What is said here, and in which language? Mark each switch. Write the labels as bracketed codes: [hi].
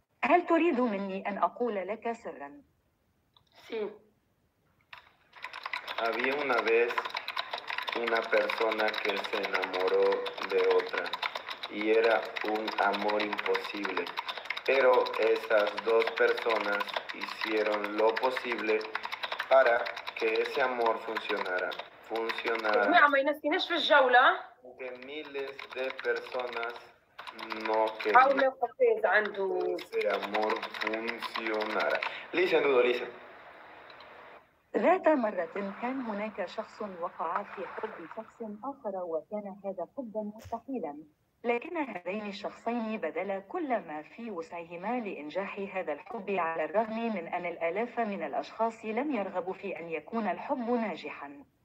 [ar] هل تريد مني أن أقول لك سرا؟ [es] Sí. Había una vez una persona que se enamoró de otra y era un amor imposible. Pero esas dos personas hicieron lo posible para que ese amor funcionara. De miles de personas no querían que ese amor funcionara. [en] Listen, Dudo, listen. [ar] ذات مرة كان هناك شخص وقع في حب شخص آخر وكان هذا حبا مستحيلا. لكن هذين الشخصين بذلا كل ما في وسعهما لإنجاح هذا الحب على الرغم من أن الآلاف من الأشخاص لم يرغبوا في أن يكون الحب ناجحا.